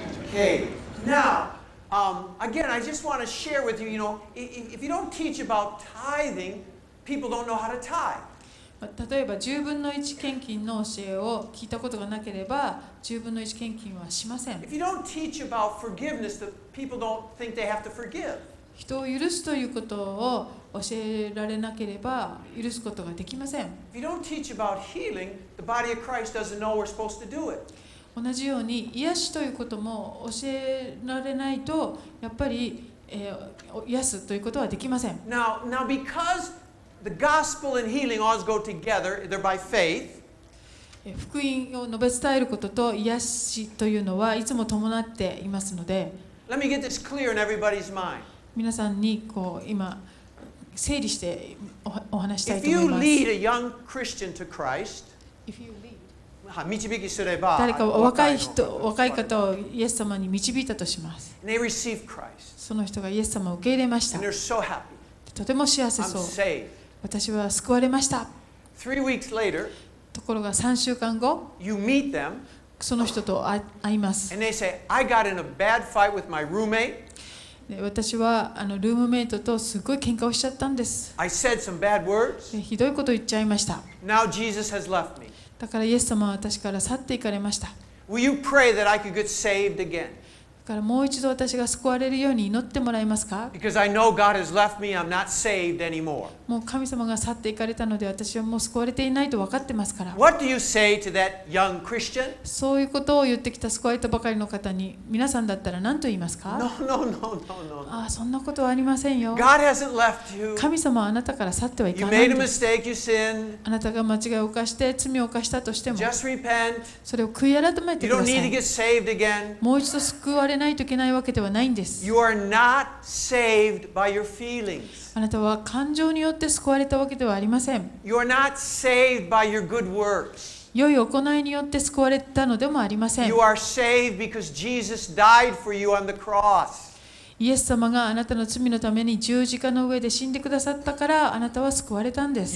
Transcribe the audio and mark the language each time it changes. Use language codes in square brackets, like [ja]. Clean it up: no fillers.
[en] Okay, now, again, I just want to share with you, you know, if you don't teach about tithing, people don't know how to tithe. [ja] 例えば、10分の1献金の教えを聞いたことがなければ、10分の1献金はしません。 [en] If you don't teach about forgiveness, the people don't think they have to forgive. [ja] 人を許すということを教えられなければ許すことができません。 [en] If you don't teach about healing, the body of Christ doesn't know we're supposed to do it. [ja] 同じように癒しということも教えられないとやっぱり、癒すということはできません。 [en] Now because the gospel and healing always go together, they're by faith. [ja] 福音を述べ伝えることと癒しというのはいつも伴っていますので。 [en] Let me get this clear in everybody's mind. [ja] 皆さんにこう今整理してお話したいと思います。 [en] If you lead a young Christian to Christ, if you lead, [ja] 導きすれば、誰か若い方をイエス様に導いたとします。 [en] And they receive Christ. [ja] その人がイエス様を受け入れました。 [en] And they're so happy. [ja] とても幸せそう。 [en] I'm saved. [ja] 私は救われました。 [en] Three weeks later, [ja] ところが3週間後、 [en] you meet them, [ja] その人と会います。 [en] And they say, I got in a bad fight with my roommate. [ja] 私はあのルームメイトとすごい喧嘩をしちゃったんです。 [en] I said some bad words. [ja] ひどいことを言っちゃいました。 [en] Now Jesus has left me. [ja] だからイエス様は私から去っていかれました。 [en] Will you pray that I could get saved again? [ja] だからもう一度私が救われるように祈ってもらえますか? [en] Because I know God has left me, I'm not saved anymore. [ja] もう神様が去っていかれたので私はもう救われていないと分かってますから。 [en] What do you say to that young Christian? [ja] そういうことを言ってきた救われたばかりの方に皆さんだったら何と言いますか? [en] No. [ja] ああ、そんなことはありませんよ。 [en] God hasn't left you. [ja] 神様はあなたから去ってはいかないんです。 [en] You made a mistake, you sinned. [ja] あなたが間違いを犯して罪を犯したとしても、 [en] Just repent. [ja] それを悔い改めてください。 [en] You don't need to get saved again. [ja] もう一度救われないといけないわけではないんです。 [en] You are not saved by your feelings. [ja] あなたは感情によって救われたわけではありません。 [en] You are not saved by your good works. [ja] 良い行いによって救われたのでもありません。 [en] You are saved because Jesus died for you on the cross. [ja] イエス様があなたの罪のために十字架の上で死んでくださったからあなたは救われたんです。